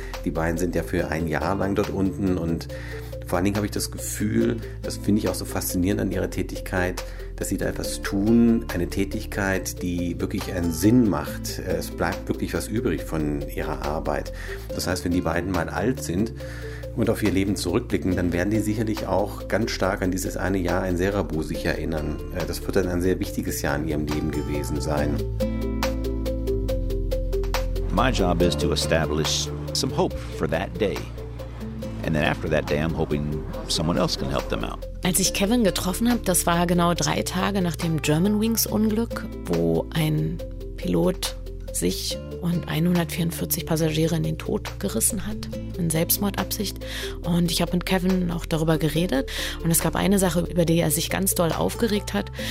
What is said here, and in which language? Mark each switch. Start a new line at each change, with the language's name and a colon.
German: Die beiden sind ja für ein Jahr lang dort unten und vor allen Dingen habe ich das Gefühl, das finde ich auch so faszinierend an ihrer Tätigkeit, dass sie da etwas tun, eine Tätigkeit, die wirklich einen Sinn macht. Es bleibt wirklich was übrig von ihrer Arbeit. Das heißt, wenn die beiden mal alt sind und auf ihr Leben zurückblicken, dann werden die sicherlich auch ganz stark an dieses eine Jahr in Serabu sich erinnern. Das wird dann ein sehr wichtiges Jahr in ihrem Leben gewesen sein.
English: My job is to establish some hope for that day. And then after that day, I'm hoping someone else can help them out.
German: Als ich Kevin getroffen habe, das war genau 3 Tage nach dem Germanwings-Unglück, wo ein Pilot sich und 144 Passagiere in den Tod gerissen hat, in Selbstmordabsicht. Und ich habe mit Kevin auch darüber geredet. Und es gab eine Sache, über die er sich ganz doll aufgeregt hat.